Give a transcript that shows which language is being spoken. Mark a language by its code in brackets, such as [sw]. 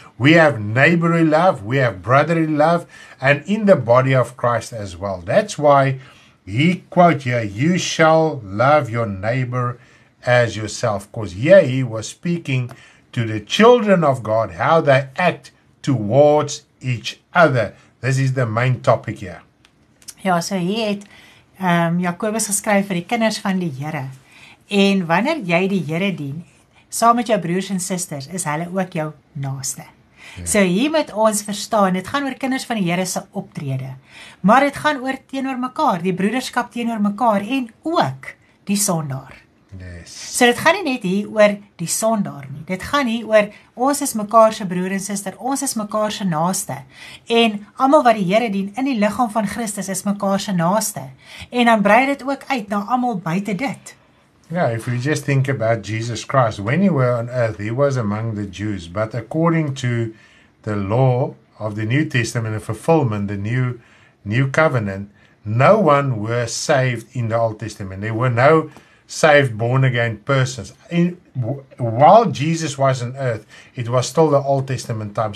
[en] We have neighborly love, we have brotherly love, and in the body of Christ as well. That's why he quotes here, you shall love your neighbor as yourself. Because here he was speaking to the children of God, how they act towards each other. This is the main topic here. [af] Ja, so hier het Jakobus geskryf vir die kinders van die Here. En wanneer jy die Here dien, saam met jou broers en susters, is hulle ook jou naaste. [en] Yeah. [af] So hier moet ons verstaan, dit gaan oor kinders van die Here se optrede. Maar dit gaan oor teenoor mekaar, die broederskap teenoor mekaar en ook die sondaar. [en] Yeah. Yes. [af] So dit gaan nie net hier oor die son daar nie. Dit gaan hier oor ons is mekaar se broer en suster, ons is mekaar se naaste. En almal wat die Here dien in die liggaam van Christus is mekaar se naaste. En dan brei dit ook uit na almal buite dit. [en] Yeah, if you just think about Jesus Christ, when he was on earth, he was among the Jews, but according to the law of the New Testament, the fulfillment, the new covenant, no one were saved in the Old Testament. There were no saved, born-again persons. While Jesus was on earth, it was still the Old Testament time.